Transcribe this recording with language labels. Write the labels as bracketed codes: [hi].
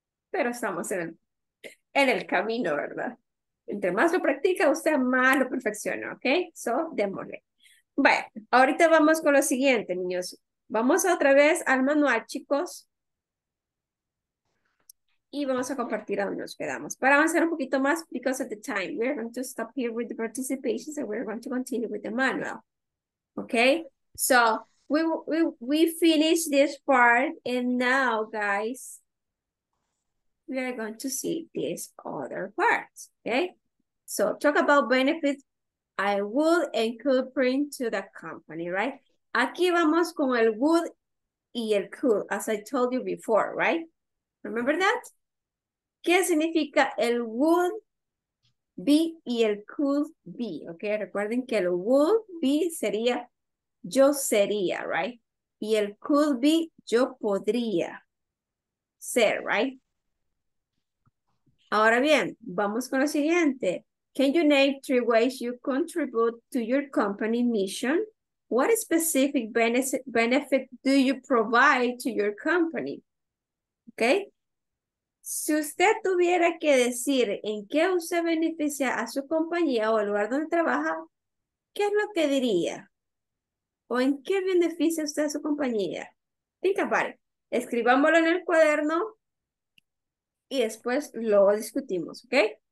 [es] Pero estamos en el camino, ¿verdad? Entre más lo practica, usted más lo perfecciona, ¿ok? So, démosle. Vaya, ahorita vamos con lo siguiente, niños. Vamos otra vez al manual, chicos. Y vamos a compartir a donde nos quedamos. Para avanzar un poquito más, [en] because of the time, we're going to stop here with the participations and we're going to continue with the manual. Okay? So, we finished this part and now, guys, we are going to see this other part. Okay? So, talk about benefits I would and could bring to the company, right? [es] Aquí vamos con el would y el could, [en] as I told you before, [es] right? [en] Remember that? [es] ¿Qué significa el would be y el could be? Ok, recuerden que el would be sería yo sería, right? Y el could be yo podría ser, right? Ahora bien, vamos con lo siguiente. [en] Can you name three ways you contribute to your company mission? What specific benefit do you provide to your company? Ok. [es] Si usted tuviera que decir en qué usted beneficia a su compañía o al lugar donde trabaja, ¿qué es lo que diría? ¿O en qué beneficia usted a su compañía? [en] Think about it. [es] Escribámoslo en el cuaderno y después lo discutimos, ¿ok?